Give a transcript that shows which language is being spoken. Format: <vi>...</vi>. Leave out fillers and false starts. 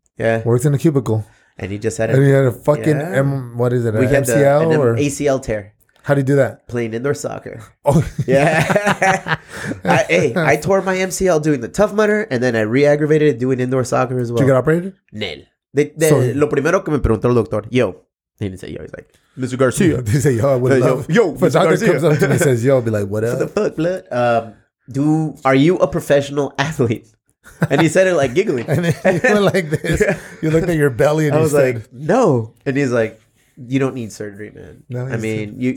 <en>Yeah. Works in a cubicle. And he just had it. And he had a fucking, what is it, an MCL? ACL tear. How do you do that? Playing indoor soccer. Oh. Yeah. I tore my MCL doing the Tough Mudder, and then I re-aggravated it doing indoor soccer as well. Did you get operated?</en> <es>Nel. Lo primero que me preguntó el doctor, yo.</es> <en>He didn't say yo. He's like, Mr. Garcia. He said, yo, I would love. Yo, Mr. Garcia. The doctor comes up to me and says, yo, I'll be like, what else? What the fuck, blood? Are you a professional athlete? And he said it like giggling. And he went like this. You looked at your belly and he said, no. And he's like, You don't need surgery, man. No, I mean, you,</en>